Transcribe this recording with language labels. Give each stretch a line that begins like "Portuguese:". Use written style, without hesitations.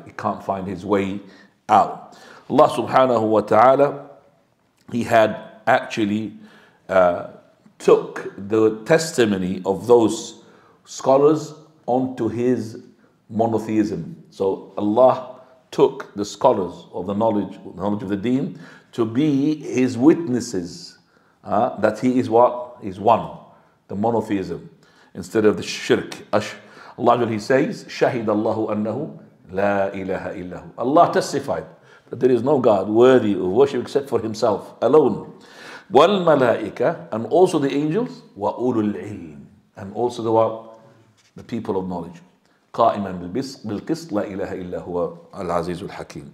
English: He can't find his way out. Allah subhanahu wa ta'ala, he had actually took the testimony of those scholars onto his monotheism. So Allah took the scholars of the knowledge of the deen to be his witnesses that he is what? He's one. The monotheism instead of the shirk. Allah, he says,
Arabic: شَهِدَ اللَّهُ أَنَّهُ لَا إِلَهَ إِلَّهُ.
English: Allah testified that there is no God worthy of worship except for himself alone.
Arabic: وَالْمَلَائِكَةَ,
English: and also the angels,
Arabic: وَأُولُو الْعِلْمِ,
English: and also the what? The people of knowledge.
Arabic: قَائِمًا بِالْقِسْطِ لَا إِلَهَ إِلَّا هُوَ الْعَزِيزُ الْحَكِيمُ.